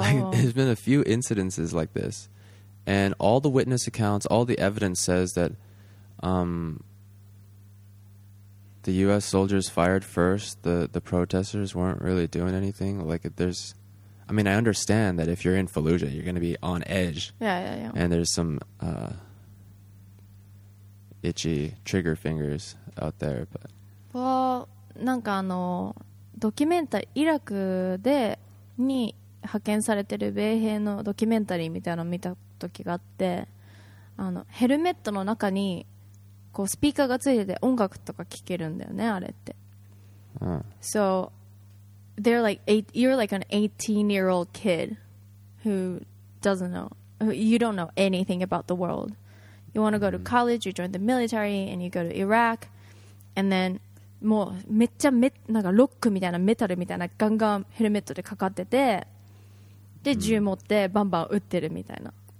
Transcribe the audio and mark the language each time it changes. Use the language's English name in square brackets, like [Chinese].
[English] Like, there's been a few incidences like this. And all the witness accounts, all the evidence says that the U.S. soldiers fired first. The protesters weren't really doing anything. Like, there's... I mean, I understand that if you're in Fallujah, you're going to be on edge. Yeah, yeah, yeah. And there's some itchy trigger fingers out there, but... [Japanese] Well, なんかあの、ドキュメンタリー、イラクに派遣されてる米兵のドキュメンタリーみたいなのを見た時があって、あの、ヘルメットの中に、 こうスピーカーがついてて音楽とか聴けるんだよね、あれって。 [English] So they're like you're like an 18-year-old kid who doesn't know you don't know anything about the world. You want to go to college, you join the military and you go to Iraq and then [Japanese] もうめっちゃなんかロックみたいなメタルみたいなガンガンヘルメットでかかってて、で銃持ってバンバン撃ってるみたいな。